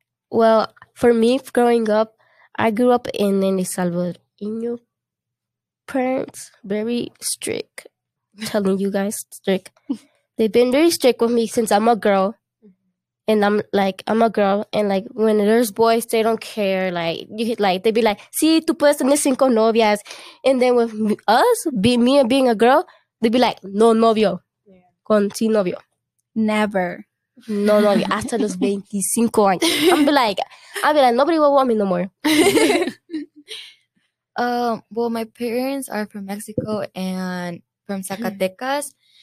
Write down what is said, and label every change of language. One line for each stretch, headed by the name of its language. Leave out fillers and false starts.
English: Well, for me growing up, I grew up in El Salvador. In your parents, very strict. Telling you guys, strict. They've been very strict with me since I'm a girl. And I'm a girl, and when there's boys, they don't care. They'd be like,
Spanish: sí, tú puedes tener cinco novias.
English: And then with us, me being a girl, they'd be like,
Spanish: no novio.
English: Yeah.
Spanish: Con sin novio.
English: Never.
Spanish: No novio. Hasta los 25 años.
English: I'd be like, nobody will want me no more. Well, my parents are from Mexico and from Zacatecas.